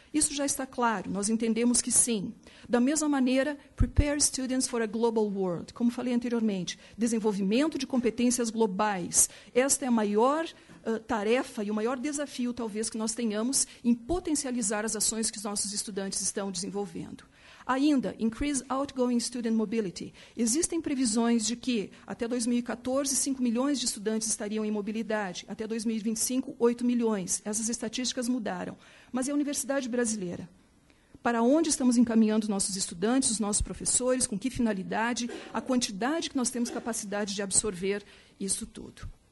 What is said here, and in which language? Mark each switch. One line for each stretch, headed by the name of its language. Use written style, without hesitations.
Portuguese: Isso já está claro, nós entendemos que sim. Da mesma maneira,
English: prepare students for a global world.
Portuguese: Como falei anteriormente, desenvolvimento de competências globais. Esta é a maior tarefa e o maior desafio, talvez, que nós tenhamos em potencializar as ações que os nossos estudantes estão desenvolvendo. Ainda,
English: increase outgoing student mobility.
Portuguese: Existem previsões de que, até 2014, 5 milhões de estudantes estariam em mobilidade. Até 2025, 8 milhões. Essas estatísticas mudaram. Mas é a universidade brasileira. Para onde estamos encaminhando nossos estudantes, os nossos professores, com que finalidade, a quantidade que nós temos capacidade de absorver isso tudo.